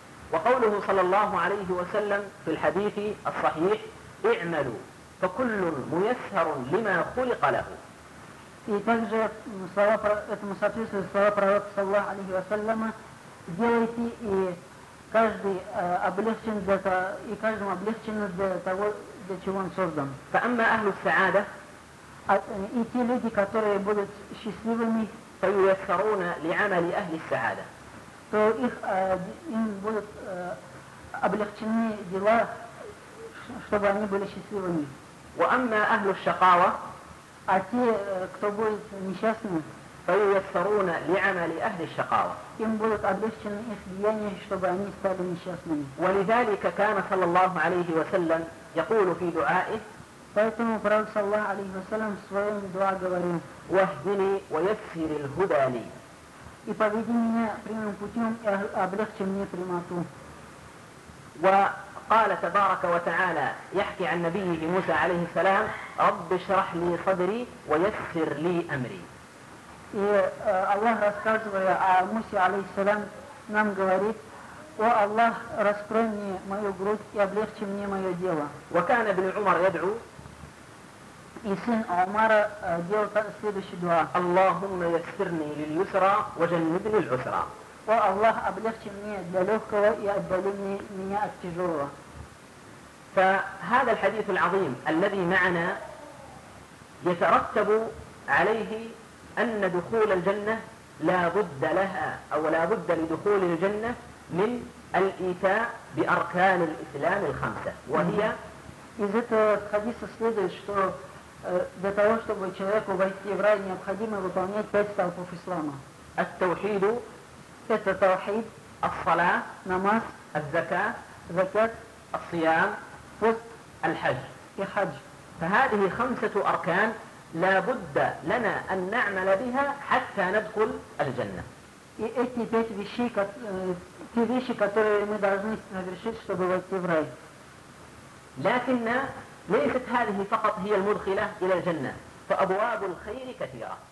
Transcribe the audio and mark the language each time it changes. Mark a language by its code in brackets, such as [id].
[ar] وقوله صلى الله عليه وسلم في الحديث الصحيح اعملوا فكل ميسر لما خلق له. [ru] И также слова этому соответствуют слова пророка [ar] صلى الله عليه وسلم: [ru] делайте и каждый облегчен для того, и каждому облегчено для того, для чего он создан. [ar] فأما أهل السعادة [ru] и те люди, которые будут счастливыми, [ar] فييسرون لعمل أهل السعادة, [ru] то их им будут облегчены дела, чтобы они были счастливыми. [ar] وأما أهل الشقاوة, [ru] а те, кто будет несчастны, [ar] فييسرون لعمل أهل الشقاوة, [ru] им будут облегчены их деяния, чтобы они стали несчастными. [ar] ولذلك كان صلى الله عليه وسلم يقول في دعائه, [ru] поэтому пророк [ar] صلى الله عليه وسلم [ru] в своем дуа говорил: [ar] واهدني ويسر الهدى لي, [ru] и поведи меня прямым путем и облегчи мне прямоту. [ar] وقال تبارك وتعالى يحكي عن نبيه موسى عليه السلام: رب اشرح لي صدري ويسر لي امري. [ru] И Аллах, рассказывая о Мусе алейхи салям, нам говорит: о Аллах, раскрой мне мою грудь и облегчи мне мое дело. [ar] وكان ابن عمر يدعو, [ru] и сын Умара делал следующий дуа: [ar] Аллахумма яссирни лиль-юсра ваджанибни аль-усра. [ru] О Аллах, облегчи мне для легкого и отдали мне меня от тяжелого. [ar] فهذا الحديث العظيم الذي معنا يترتب عليه أن دخول الجنة لا بد لها أو لا بد لدخول الجنة من الإيتاء بأركان الإسلام الخمسة وهي. [ru] Из этого хадиса следует, что для того, чтобы человеку войти в рай, необходимо выполнять пять столпов ислама. [ar] التوحيد, [ru] это тавхид, [ar] الصلاة, [ru] намаз, [ar] الزكاة, [ru] закят, [ar] الصيام, [ru] пост, [ar] الحج, [ru] и хадж. [ar] فهذه خمسة أركان لا بد لنا أن نعمل بها حتى ندخل الجنة. [ru] И эти пять вещей, те вещи, которые мы должны совершить, чтобы войти в рай. [ar] لكن ليست هذه فقط هي المدخلة إلى الجنة, فأبواب الخير كثيرة.